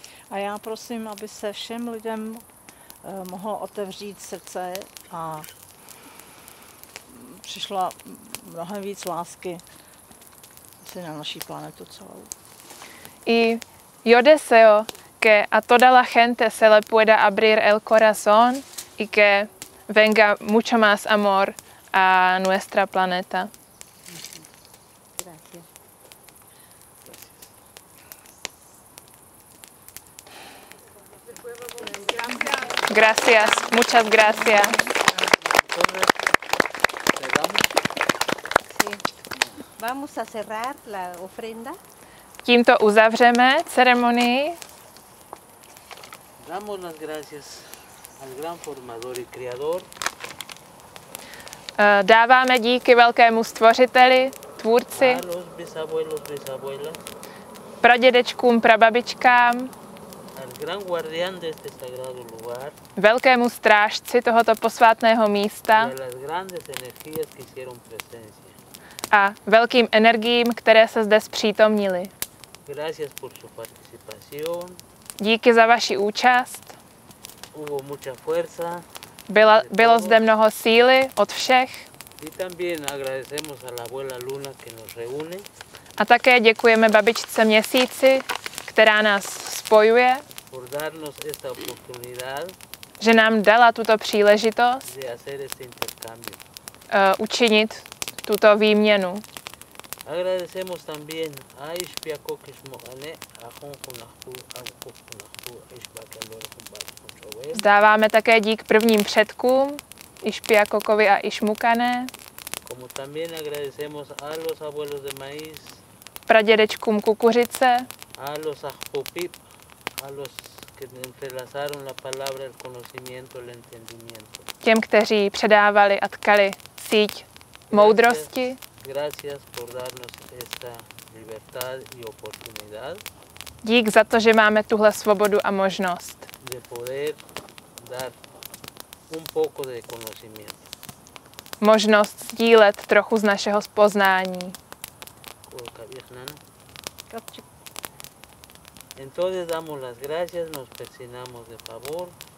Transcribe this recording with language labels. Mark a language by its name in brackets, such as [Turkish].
[Czech] A já prosím, aby se všem lidem mohlo otevřít srdce a přišla mnohem víc lásky na naší planetu celou. [Spanish] Y yo deseo que a toda la gente se le pueda abrir el corazón y que venga mucho más amor a nuestra planeta. Gracias. Muchas gracias. Vamos a cerrar la ofrenda. [Czech] Tímto uzavřeme ceremonii. [Spanish] Damos las gracias al gran formador y creador. [Czech] Dáváme díky velkému stvořiteli, tvůrci. [Spanish] A los bisabuelos, bisabuelas. [Czech] Pradědečkům, prababičkám. [Spanish] Al gran guardián de este sagrado lugar. [Czech] Velkému strážci tohoto posvátného místa. [Spanish] Y a las grandes energías que hicieron presencia. [Czech] A velkým energiím, které se zde zpřítomnili. [Spanish] Gracias por su participación. [Czech] Díky za vaši účast. [Spanish] Hubo mucha fuerza. [Czech] Bylo zde mnoho síly od všech. [Spanish] Y también agradecemos a la abuela Luna que nos reúne. [Czech] A také děkujeme babičce Měsíci, která nás spojuje. [Spanish] Por darnos esta oportunidad. [Czech] Že nám dala tuto příležitost. [Spanish] De hacer este intercambio. [Czech] Učinit tuto výměnu. [Spanish] Agradecemos también a Ispiakokismoane a Honkunachtu a Honkunachtu a Ispiakokismoane. [Czech] Zdáváme také dík prvním předkům Ispiakokovi a Ismukane. [Spanish] Como también agradecemos a los abuelos de maíz. [Czech] Pradědečkům kukuřice. [Spanish] A los Ajpopip, a los que entrelazaron la palabra, el conocimiento, el entendimiento. [Czech] Těm, kteří předávali a tkali síť moudrosti. [Spanish] Gracias por darnos esta libertad y oportunidad. [Czech] Dík za to, že máme tuhle svobodu a možnost. [Spanish] De poder dar un poco de conocimiento. [Czech] Možnost sdílet trochu z našeho poznání. [Spanish] Entonces damos las gracias, nos persignamos de favor.